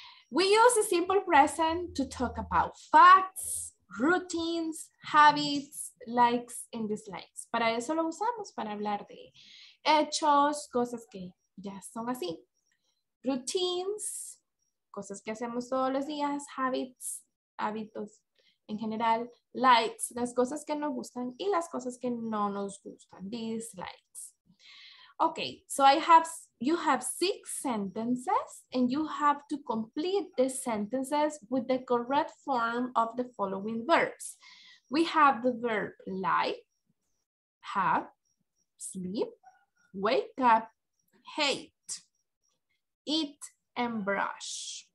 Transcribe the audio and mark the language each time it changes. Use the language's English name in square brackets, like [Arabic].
[English] We use the simple present to talk about facts, routines, habits, likes, and dislikes. [Spanish] Para eso lo usamos, para hablar de hechos, cosas que ya son así. Routines, cosas que hacemos todos los días, habits, hábitos en general, likes, las cosas que nos gustan y las cosas que no nos gustan, dislikes. [English] Okay, so you have six sentences and you have to complete the sentences with the correct form of the following verbs. We have the verb lie, have, sleep, wake up, hate, eat, and brush.